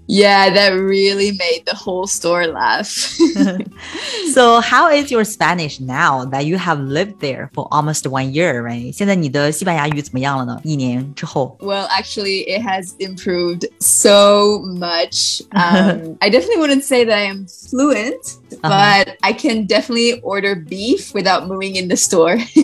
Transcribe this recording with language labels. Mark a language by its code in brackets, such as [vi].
[en] Yeah, that really made the whole store laugh. So how is your Spanish now that you have lived there for almost 1 year, right? [zh] 现在你的西班牙语怎么样了呢? 一年之后? [en] Well, actually, it has improved so much. I definitely wouldn't say that I am fluent, but I can definitely order beef without moving in the store.